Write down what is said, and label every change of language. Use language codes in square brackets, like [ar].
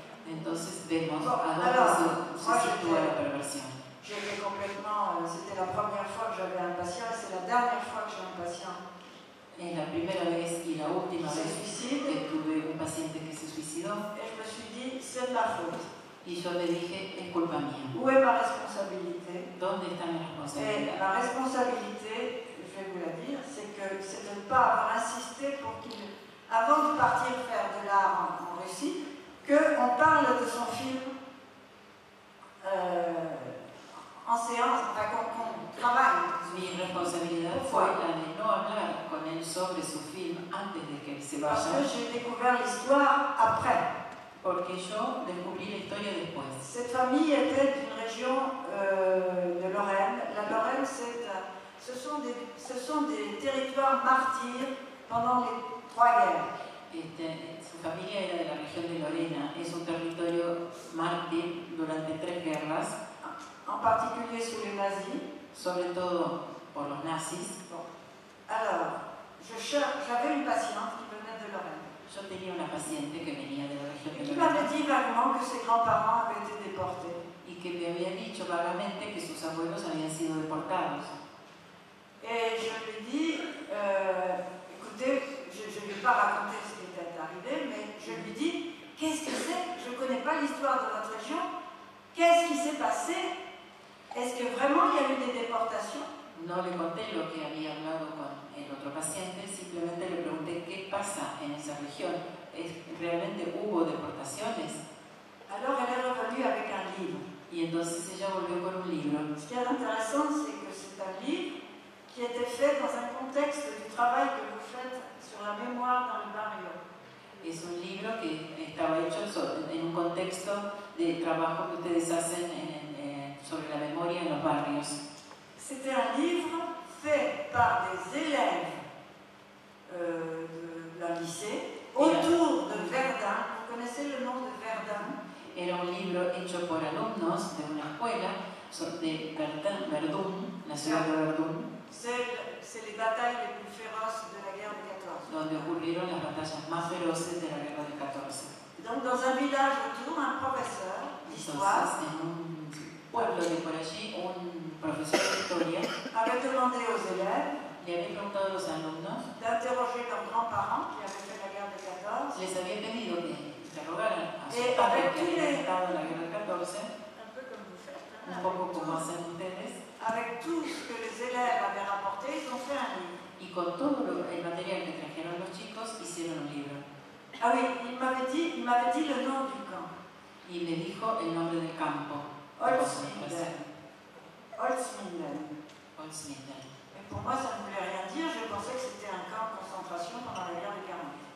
[es] Entonces vemos bon, a dónde se sitúa la perversión. [fr] J'étais complètement, c'était la première fois que j'avais un patient, c'est la dernière fois que j'ai un patient. [es] Et la primera vez y la última vez que tuve un paciente que se suicidó. [fr] Et je me suis dit, c'est de ma faute. [es] Y yo le dije, es culpa mía. [fr] Où est ma responsabilité? [es] ¿Dónde está mi responsabilidad? [fr] Et la responsabilité, je vais vous la dire, c'est que c'est de ne pas avoir insisté pour qu'il, avant de partir faire de l'art en Russie, qu'on parle de son film. En séance, qu'on travaille. [es] Mi responsabilidad fue la de no hablar con él sobre su film antes de que él se vaya. [fr] Parce que j'ai découvert l'histoire après. [es] Porque yo descubrí la historia después. [fr] Cette famille était d'une région de Lorraine. La Lorraine, ce sont des territoires martyrs pendant les trois guerres. [es] Su familia era de la región de Lorena. Es un territorio mártir durante tres guerras. [fr] En particulier sous les nazis. [es] Sobre todo por los nazis. [fr] Alors, j'avais une patiente qui venait de Lorraine. [es] Yo tenía una paciente que venía de la región de Lorena. [fr] Qui m'avait dit vaguement que ses grands-parents avaient été déportés. [es] Y que me había dicho vagamente que sus abuelos habían sido deportados. [fr] Et je lui ai dit, écoutez, je ne vais pas raconter ce qui était arrivé, mais je lui ai dit, qu'est-ce que c'est? Je ne connais pas l'histoire de votre région. Qu'est-ce qui s'est passé? Est-ce que vraiment il y a eu des déportations? [es] No le conté lo que había hablado con el otro paciente, simplemente le pregunté qué pasa en esa región. ¿Realmente hubo deportaciones? [fr] Alors elle est revenue avec un livre. [es] Y entonces ella volvió con un libro. [fr] Ce qui est intéressant, c'est que c'est un livre qui était fait dans un contexte du travail que vous faites sur la mémoire dans le barrio. [es] Es un libro que estaba hecho en un contexto de trabajo que ustedes hacen sobre la memoria en los barrios. [fr] C'était un livre fait par des élèves de la lycée autour de Verdun. Vous connaissez le nom de Verdun? [es] Era un libro hecho por alumnos de una escuela de Verdun, la ciudad de Verdun. [fr] C'est les batailles les plus féroces de la guerre de 14. [es] Donde ocurrieron las batallas más feroces de la guerra de 14. [fr] Donc dans un village autour, un professeur d'histoire, [es] en un pueblo de por allí, un profesor de historia, [fr] avait demandé aux élèves, [es] le había preguntado a los alumnos, [fr] d'interroger leurs grands-parents qui avaient fait la guerre de 14, [es] les había pedido que interrogaran a sus padres que habían estado en la guerra de 14, [fr] un peu comme vous faites, [es] un poco como hacen ustedes, [fr] avec tout ce que les élèves avaient rapporté, ils ont fait un livre. [es] Y con todo el material que trajeron los chicos, hicieron un libro. [fr] Ah oui, il m'avait dit le nom du camp. [es] Y me dijo el nombre del campo. [fr] Holzminden. Et pour moi, ça ne voulait rien dire, je pensais que c'était un camp de concentration pendant la guerre de 40.